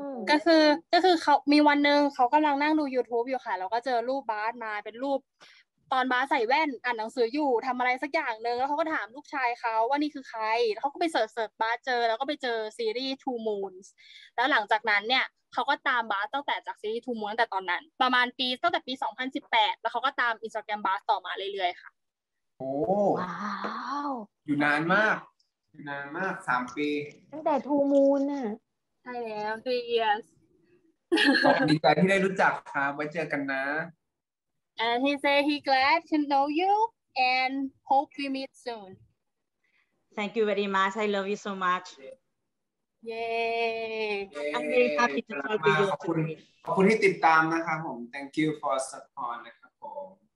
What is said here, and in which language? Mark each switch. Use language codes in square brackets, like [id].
[th] ก็คือเขามีวันนึงเขากำลังนั่งดู YouTube อยู่ค่ะแล้วก็เจอรูปบาสมาเป็นรูปตอนบาสใส่แว่นอ่านหนังสืออยู่ทำอะไรสักอย่างนึงแล้วเขาก็ถามลูกชายเขาว่านี่คือใครเขาก็ไปเสิร์ชบาสเจอแล้วก็ไปเจอซีรีส์ Two Moons แล้วหลังจากนั้นเนี่ยเขาก็ตามบาสตั้งแต่จากซีรีส์ทูมูนตั้งแต่ตอนนั้นประมาณปีตั้งแต่ปี2018แล้วเขาก็ตามอินสตาแกรมบาสต่อมาเรื่อยๆค่ะ โ อ้ว้าว อยู่นานมาก3ปี ตั้งแต่ทูมูน น่ะใช่แล้ว3 years ดีใจที่ได้รู้จักครับไว้เจอกันนะ [en] And he say he glad to know you and hope we meet soon Thank you very much I love you so much Yay! I'm very happy to talk to you. [th] ขอบคุณที่ติดตามนะครับผม [en] Thank you for support [th] นะครับผม